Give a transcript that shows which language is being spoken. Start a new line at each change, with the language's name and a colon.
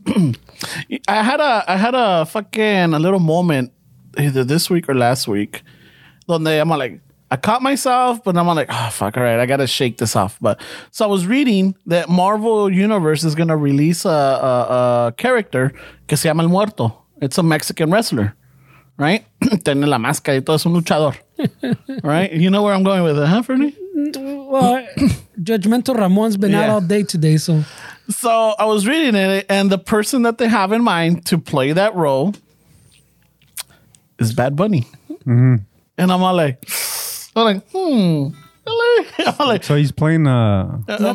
English: So. I had a fucking a little moment either this week or last week.
Spanish: Donde
English: I'm like, I caught myself, but I'm like, oh, fuck, all right, I got to shake this off. But so I was reading that Marvel Universe is going to release a character
Spanish: que se llama
English: El Muerto. It's a Mexican wrestler, right?
Spanish: Tiene la máscara y todo, es un luchador.
English: Right? You know where I'm going with it, huh, Fernie? Well, Judgmental Ramon's been out all day today, so. So I was reading it, and the person that they have in mind to play that role is Bad Bunny. Mm-hmm. And I'm like, So he's playing a